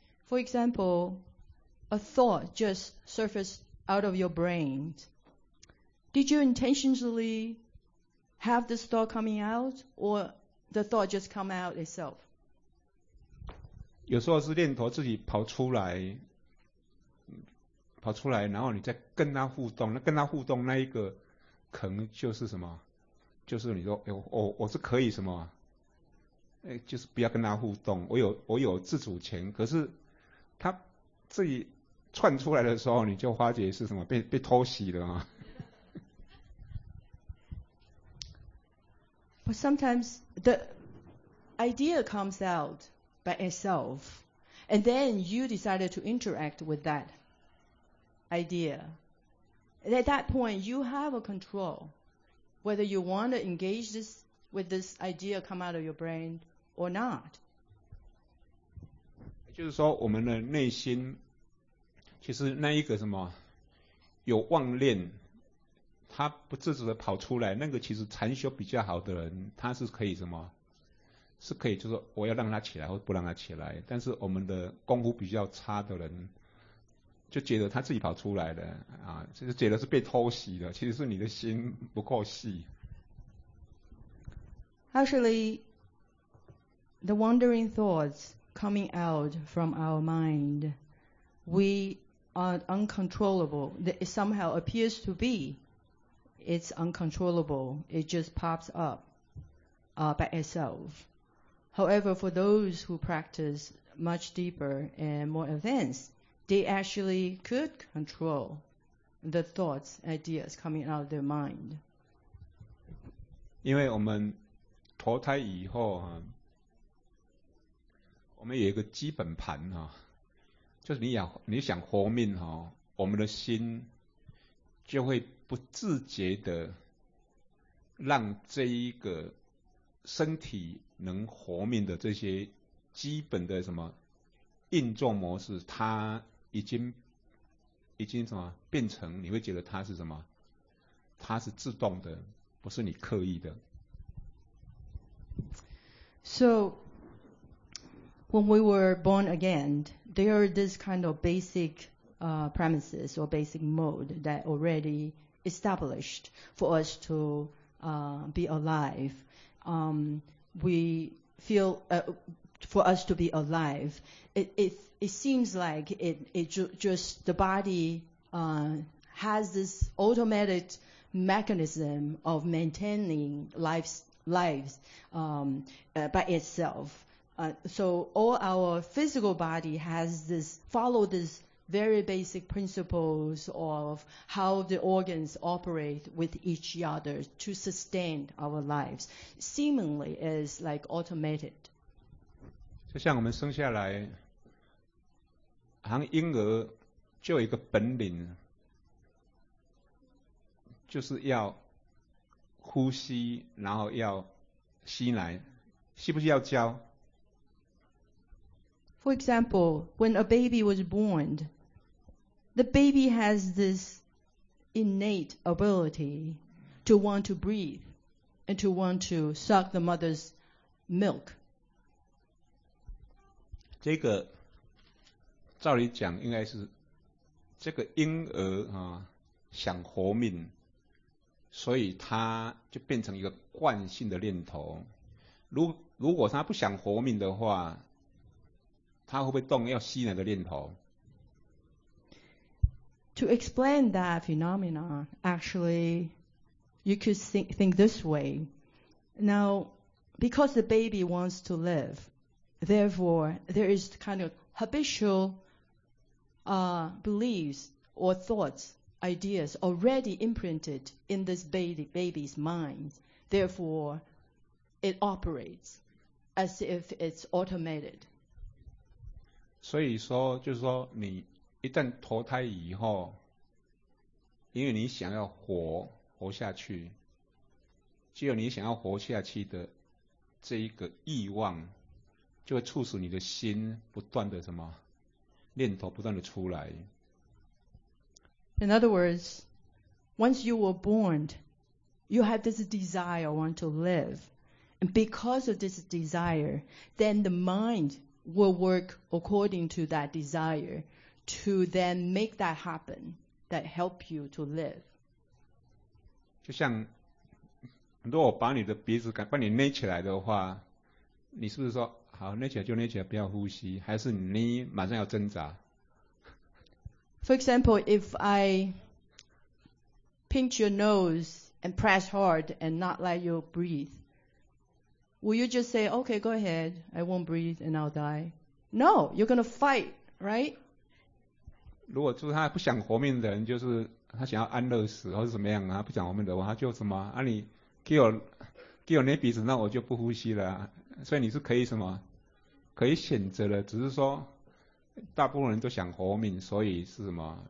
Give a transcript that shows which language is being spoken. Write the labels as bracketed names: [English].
[English] For example, a thought just surfaced out of your brain. Did you intentionally have this thought coming out, or... The thought just come out itself. [Chinese] 有时候是念头自己跑出来，然后你再跟它互动。那跟它互动那一个，可能就是什么？就是你说，哎，我是可以什么？哎，就是不要跟它互动。我有自主权。可是它自己窜出来的时候，你就发觉是什么？被偷袭了吗？ [English] But sometimes. The idea comes out by itself, and then you decided to interact with that idea. And at that point, you have a control whether you want to engage with this idea come out of your brain or not. [Chinese] 就是说我们的内心其实那一个什么有妄念他不自主的跑出来，那个其实禅修比较好的人，他是可以什么？是可以，就是说我要让他起来，或不让他起来。但是我们的功夫比较差的人，就觉得他自己跑出来的啊，就是觉得是被偷袭的，其实是你的心不够细。 [English] Actually, the wandering thoughts coming out from our mind, we are uncontrollable. It somehow appears to be, it's uncontrollable. It just pops up, by itself. However, for those who practice much deeper and more advanced, they actually could control the thoughts, ideas coming out of their mind. [Chinese] 因为我们投胎以后啊，我们有一个基本盘啊，就是你想活命啊，我们的心就会不自觉的让这一个身体能活命的这些基本的什么运作模式，它已经什么变成，你会觉得它是什么？它是自动的，不是你刻意的。 [English] So, when we were born again, there are this kind of basic premises or basic mode that already established for us to be alive. We feel for us to be alive. It seems like it just the body has this automatic mechanism of maintaining lives by itself. So all our physical body has this, follow this very basic principles of how the organs operate with each other to sustain our lives. Seemingly is like automated. [Chinese] 就像我们生下来，好像婴儿就有一个本领，就是要呼吸，然后要吸奶，需不需要教？ [English] For example, when a baby was born, the baby has this innate ability to want to breathe and to want to suck the mother's milk. [Chinese] 这个照理讲应该是这个婴儿啊想活命，所以他就变成一个惯性的念头。如果他不想活命的话，他会不会动要吸奶的念头？ [English] To explain that phenomenon, actually, you could think this way. Now, because the baby wants to live, therefore, there is kind of habitual beliefs or thoughts. Ideas already imprinted in this baby's mind, therefore it operates as if it's automated. [Chinese] 所以说，就是说，你一旦投胎以后，因为你想要活下去，只有你想要活下去的这一个欲望，就会促使你的心不断的什么念头不断的出来。 [English] In other words, once you were born, you have this desire, want to live. And because of this desire, then the mind will work according to that desire to then make that happen, that help you to live. [Chinese] 就像如果把你的鼻子把你捏起来的话，你是不是说好捏起来就捏起来不要呼吸，还是你马上要挣扎？ [English] For example, if I pinch your nose and press hard and not let you breathe, will you just say, okay, go ahead, I won't breathe and I'll die? No, you're going to fight, right? [Chinese] 如果就是他不想活命的人，就是他想要安乐死或是怎么样啊，不想活命的话，他就什么啊，你给我捏鼻子，那我就不呼吸了。所以你是可以什么可以选择的，只是说大部分人都想活命，所以是什么？